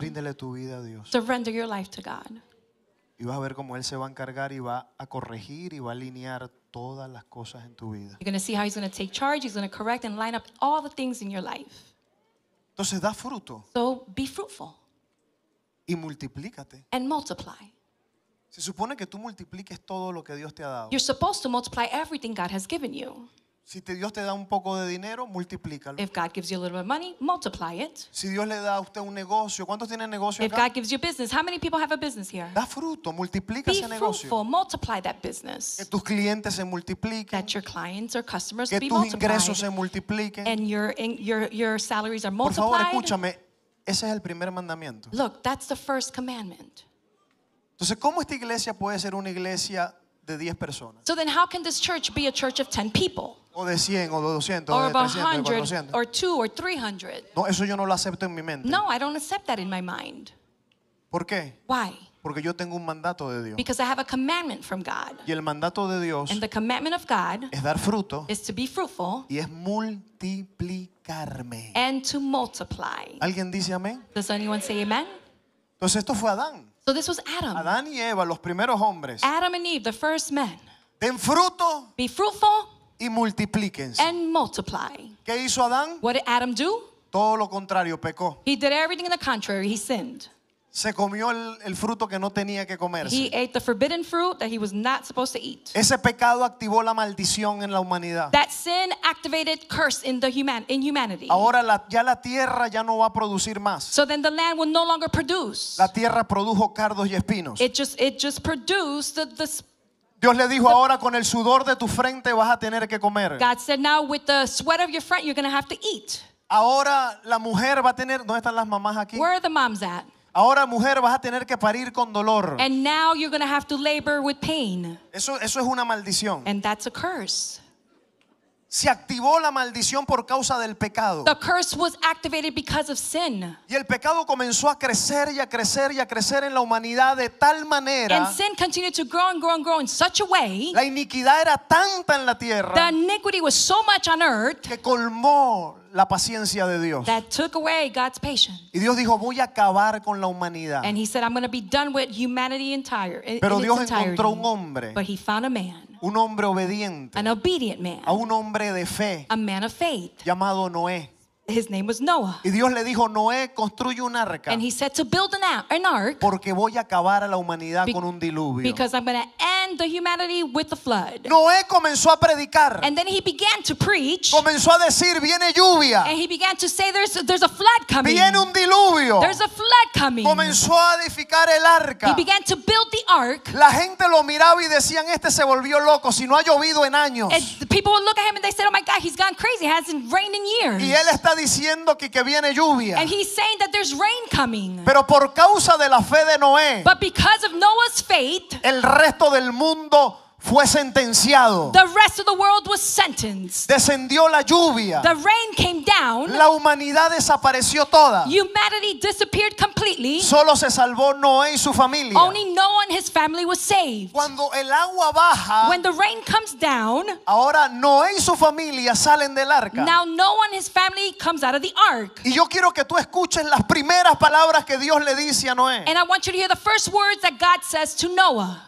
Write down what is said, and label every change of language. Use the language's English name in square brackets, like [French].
[Spanish] Ríndele tu vida a Dios. [English] Surrender your life to God. [Spanish] Y vas a ver cómo Él se va a encargar y va a corregir y va a alinear todas las cosas en tu vida. [English] You're going to see how he's going to take charge. He's going to correct and line up all the things in your life. [Spanish] Entonces da fruto. [English] So be fruitful. [Spanish] Y multiplícate. [English] And multiply. [Spanish] Se supone que tú multipliques todo lo que Dios te ha dado. [English] You're supposed to multiply everything God has given you. [Spanish] Si Dios te da un poco de dinero, multiplícalo. [English] If God gives you a little bit of money, multiply it. [Spanish] Si Dios le da a usted un negocio, ¿cuántos tienen negocio [English] if [Spanish] acá? [English] God gives you business, how many people have a business here? [Spanish] Da fruto, multiplica [English] be [Spanish] ese negocio. [English] Be fruitful, multiply that business. [Spanish] Que tus clientes se multipliquen. [English] That your clients or customers [Spanish] que [English] be [Spanish] tus [English] multiplied. [Spanish] Ingresos se multipliquen. [English] And your salaries are multiplied. [Spanish] Por favor, escúchame, ese es el primer mandamiento. [English] Look, that's the first commandment. [Spanish] Entonces, ¿cómo esta iglesia puede ser una iglesia de 10 personas? [English] So then how can this church be a church of 10 people? [Spanish] O de 100 o de 200 o de 300 o 200 o 300. No, eso yo no lo acepto en mi mente. [English] No, I don't accept that in my mind. [Spanish] ¿Por qué? [English] Why? [Spanish] Porque yo tengo un mandato de Dios. [English] Because I have a commandment from God. [Spanish] Y el mandato de Dios, [English] and the commandment of God, [Spanish] es dar fruto, [English] is to be fruitful, [Spanish] y es multiplicarme, [English] and to multiply. [Spanish] ¿Alguien dice amén? [English] Does anyone say amen? [Spanish] Entonces esto fue Adán. [English] So this was Adam. [Spanish] Adán y Eva, los primeros hombres. [English] Adam and Eve, the first men. [Spanish] Den fruto. [English] Be fruitful. [Spanish] Y multiplíquense. [English] And multiply. [Spanish] ¿Qué hizo Adán? [English] What did Adam do? [Spanish] Todo lo contrario, pecó. [English] He did everything in the contrary. He sinned. [Spanish] Se comió el fruto que no tenía que comerse. [English] He ate the forbidden fruit that he was not supposed to eat. [Spanish] Ese pecado activó la maldición en la humanidad. [English] That sin activated curse in humanity. [Spanish] Ahora ya la tierra ya no va a producir más. [English] So then the land will no longer produce. [Spanish] La tierra produjo cardos y espinos. [English] It just produced the [Spanish] Dios le dijo, ahora con el sudor de tu frente vas a tener que comer. [English] God said, now with the sweat of your front you're going to have to eat. [Spanish] Ahora la mujer va a tener, ¿dónde están las mamás aquí? [English] Where are the moms at? [Spanish] Ahora mujer vas a tener que parir con dolor. [English] And now you're going to have to labor with pain. [Spanish] Eso es una maldición. [English] And that's a curse. [Spanish] Se activó la maldición por causa del pecado. [English] The curse was activated because of sin. [Spanish] Y el pecado comenzó a crecer y a crecer y a crecer en la humanidad de tal manera. [English] And sin continued to grow and grow and grow in such a way. [Spanish] La iniquidad era tanta en la tierra. [English] The iniquity was so much on earth. [Spanish] Que colmó la paciencia de Dios. [English] That took away God's patience. [Spanish] Y Dios dijo, voy a acabar con la humanidad. [English] And he said, I'm going to be done with humanity entire. [Spanish] Pero Dios encontró un hombre. [English] But he found a man. [Spanish] Un hombre obediente. [English] An obedient man. [Spanish] A un hombre de fe. [English] A man of faith. [Spanish] Llamado Noé. [English] His name was Noah. [Spanish] Y Dios le dijo, Noé, construye un arca. [English] And he said to build an ark. [Spanish] Porque voy a acabar a la humanidad con un diluvio. [English] Because I'm going to end and the humanity with the flood. [Spanish] Noé comenzó a predicar. [English] And then he began to preach. [Spanish] Comenzó a decir, viene lluvia. [English] And he began to say, there's a flood coming. [Spanish] Viene un diluvio. [English] There's a flood coming. [Spanish] Comenzó a edificar el arca. [English] He began to build the ark. [Spanish] La gente lo miraba y decían, este se volvió loco, si no ha llovido en años. [English] And the people would look at him and they said, oh my God, he's gone crazy, it hasn't rained in years. [Spanish] Y él está diciendo que viene lluvia. [English] And he's saying that there's rain coming. [Spanish] Pero por causa de la fe de Noé, [English] but because of Noah's faith, [Spanish] el resto del mundo fue sentenciado. [English] The rest of the world was sentenced. [Spanish] Descendió la lluvia. [English] The rain came down. [Spanish] La humanidad desapareció toda. [English] Humanity disappeared completely. [Spanish] Solo se salvó Noé y su familia. [English] Only Noah and his family was saved. [Spanish] Cuando el agua baja, [English] when the rain comes down, [Spanish] ahora Noé y su familia salen del arca. [English] Now Noah and his family comes out of the ark. [Spanish] Y yo quiero que tú escuches las primeras palabras que Dios le dice a Noé. [English] And I want you to hear the first words that God says to Noah.